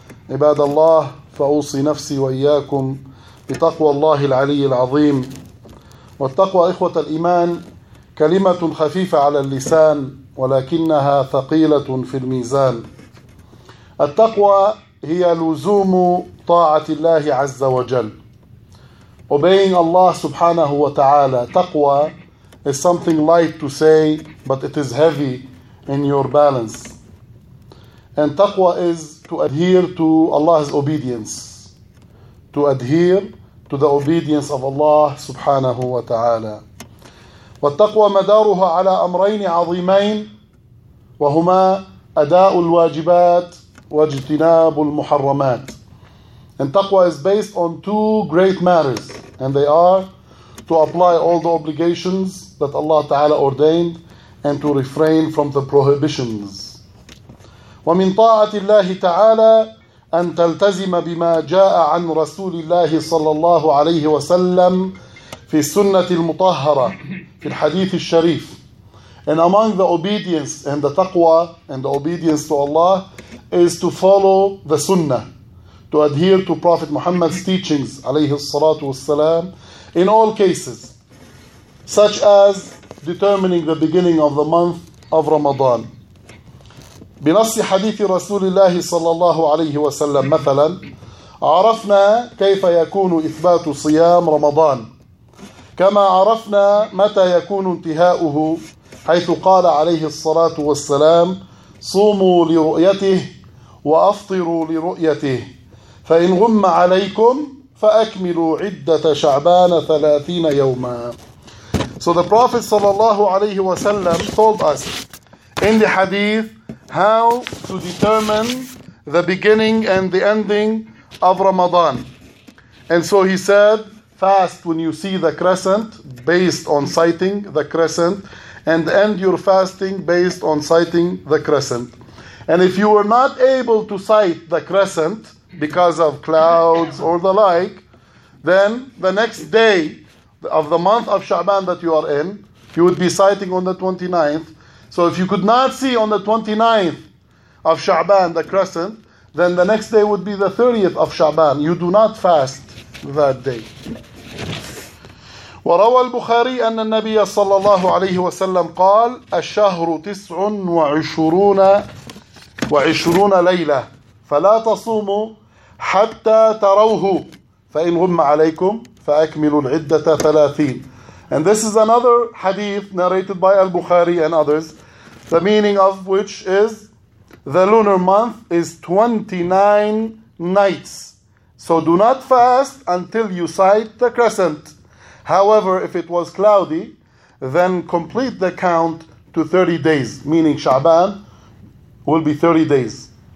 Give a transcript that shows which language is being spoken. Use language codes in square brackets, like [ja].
[ar] عباد الله، فأوصي نفسي وإياكم بتقوى الله العلي العظيم. والتقوى إخوة الإيمان كلمة خفيفة على اللسان ولكنها ثقيلة في الميزان. التقوى هي لزوم طاعة الله عز وجل. [en] Obeying Allah سبحانه وتعالى. تقوى is something light to say, but it is heavy in your balance. And تقوى is to adhere to Allah's obedience. To adhere to the obedience of Allah سبحانه وتعالى. [ar] والتقوى مدارها على أمرين عظيمين، وهما أداء الواجبات واجتناب المحرمات. [en] And taqwa is based on two great matters, and they are to apply all the obligations that Allah Ta'ala ordained and to refrain from the prohibitions. [ar] ومن طاعة الله تعالى أن تلتزم بما جاء عن رسول الله صلى الله عليه وسلم في السنة المطهرة في الحديث الشريف. [en] And among the obedience and the taqwa and the obedience to Allah is to follow the sunnah, to adhere to Prophet Muhammad's teachings عليه الصلاة والسلام in all cases, such as determining the beginning of the month of Ramadan. [ar] بنص حديث رسول الله صلى الله عليه وسلم مثلا عرفنا كيف يكون إثبات صيام رمضان، كما عرفنا متى يكون انتهاؤه، حيث قال عليه الصلاة والسلام: صوموا لرؤيته وأفطروا لرؤيته، فإن غم عليكم فأكملوا عدة شعبان 30 يوما. [en] So the Prophet صلى الله عليه وسلم told us in the hadith how to determine the beginning and the ending of Ramadan. And so he said, fast when you see the crescent based on sighting the crescent, and end your fasting based on sighting the crescent. And if you were not able to sight the crescent because of clouds or the like, then the next day of the month of Sha'ban that you are in, you would be sighting on the 29th. So if you could not see on the 29th of Sha'ban the crescent, then the next day would be the 30th of Sha'ban. You do not fast that day. [ar] وروى البخاري أن النبي صلى الله عليه وسلم قال: الشهر 29 ليلة، فلا تصوموا حتى تروه، فإن غم عليكم فأكملوا العدة 30. [en] And this is another hadith narrated by al-Bukhari and others, the meaning of which is the lunar month is 29 nights. So do not fast until you sight the crescent. However, if it was cloudy, then complete the count to 30 days, meaning Sha'ban will be 30 days.